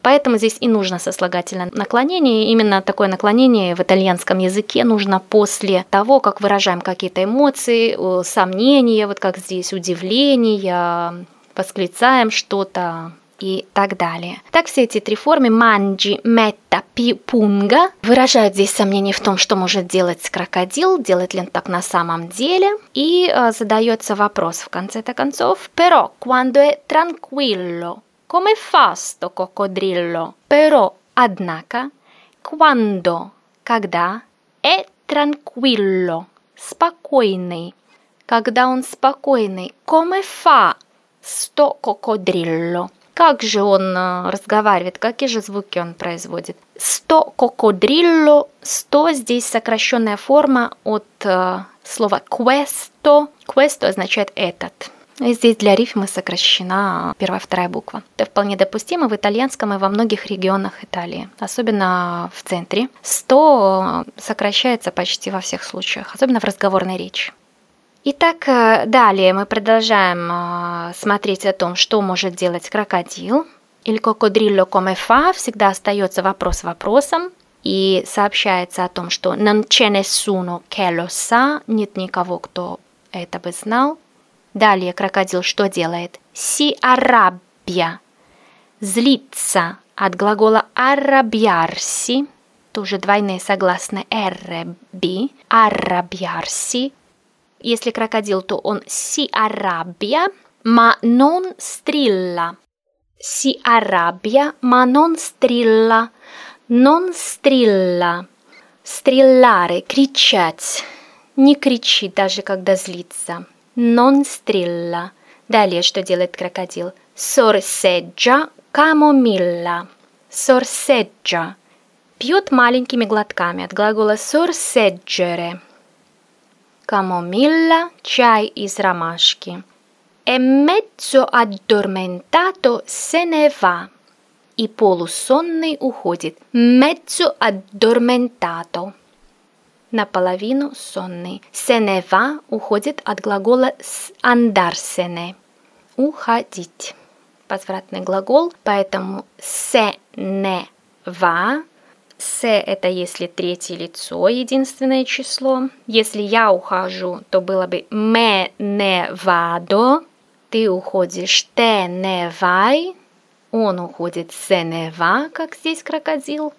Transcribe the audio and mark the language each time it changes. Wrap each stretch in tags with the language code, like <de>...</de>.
<ru>Поэтому здесь и нужно сослагательное наклонение. Именно такое наклонение в итальянском языке нужно после того, как выражаем какие-то эмоции, сомнения, вот как здесь удивление, восклицаем что-то и так далее. Так все эти три формы «манджи», «метта», «пунга» выражают здесь сомнение в том, что может делать крокодил, делает ли он так на самом деле. И задается вопрос в конце-то концов.</ru> <it>«Però, quando è tranquillo, come fa sto coccodrillo?» «Però,</it> <ru>однако,</ru> <it>quando,</it> <ru>когда,</ru> <it>è tranquillo,</it> <ru>спокойный, когда он спокойный,</ru> <it>come fa sto coccodrillo?»</it> <ru>Как же он разговаривает, какие же звуки он производит? Сто кокодрилло, сто здесь сокращенная форма от слова questo. Questo означает этот. И здесь для рифмы сокращена первая, вторая буква. Это вполне допустимо в итальянском и во многих регионах Италии, особенно в центре. Сто сокращается почти во всех случаях, особенно в разговорной речи. Итак, далее мы продолжаем смотреть о том, что может делать крокодил.</ru> <it>Il coccodrillo come fa?</it> <ru>Всегда остается вопрос вопросом. И сообщается о том, что</ru> <it>non c'è nessuno che lo sa.</it> <ru>Нет никого, кто это бы знал. Далее крокодил что делает?</ru> <it>Si arrabbia.</it> <ru>Злится от глагола arrabbiarsi. Тоже двойные согласные rb.</ru> <it>Arrabbiarsi.</it> <ru>Если крокодил, то он</ru> <it>«si arrabbia, ma non strilla». «Si arrabbia, ma non strilla». «Non strilla».</it> <ru>«Стрилляре» – кричать. Не кричит, даже когда злится.</ru> <it>«Non strilla».</it> <ru>Далее, что делает крокодил?</ru> <it>«Sorseggia camomilla». «Sorseggia».</it> <ru>Пьет маленькими глотками от глагола «sorseggere». Камомилла, чай из ромашки.</ru> <it>E mezzo addormentato se ne va.</it> <ru>И полусонный уходит.</ru> <it>Mezzo addormentato.</it> <ru>Наполовину сонный.</ru> <it>Se ne va</it> <ru>уходит от глагола andarsene. Уходить. Возвратный глагол, поэтому</ru> <it>se ne va.</it> <ru>«Се» – это если третье лицо, единственное число. Если я ухожу, то было бы «ме не вадо». «Ты уходишь» – «те не вай». «Он уходит» – «се не ва», как здесь крокодил.</ru>